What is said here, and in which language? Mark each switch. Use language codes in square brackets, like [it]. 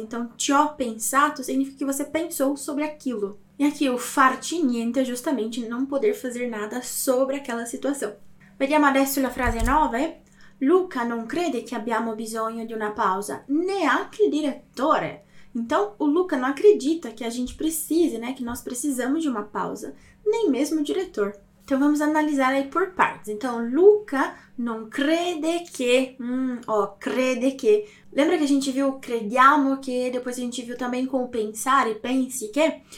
[pt] Então, [it] ti ho pensato [pt] significa que você pensou sobre aquilo. E aqui, o [it] farci niente [pt] é justamente não poder fazer nada sobre aquela situação. [it] Vediamo adesso la frase nova, eh? Luca non crede che abbiamo bisogno di una pausa, neanche il direttore. [pt] Então, o Luca não acredita que a gente precise, né? Que nós precisamos de uma pausa, nem mesmo o diretor. Então, vamos analisar aí por partes. Então, Luca não crede que. Crede que. Lembra que a gente viu crediamo que, depois a gente viu também com pensar e pense que?